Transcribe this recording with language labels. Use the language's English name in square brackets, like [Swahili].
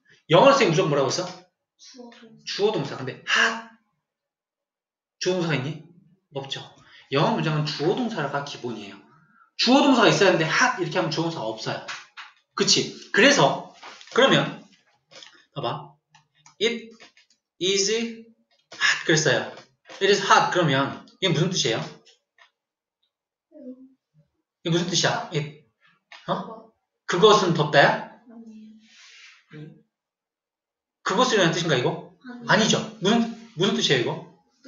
[Korean] 영어 선생님 무조건 뭐라고 했어? 주어, 동사. 근데 핫! 주어, 동사가 있니? 없죠. 영어 문장은 주어, 동사가 기본이에요. 주어, 동사가 있어야 되는데 핫! 이렇게 하면 주어, 동사가 없어요. 그치? 그래서 그러면 봐봐. [English] It is hot [Korean] 그랬어요. [English] It is hot [Korean] 그러면 이게 무슨 뜻이에요? 이게 무슨 뜻이야? It. 어? 그것은 덥다야? 그것이라는 뜻인가 이거? 아니죠. 무슨 뜻이에요 이거?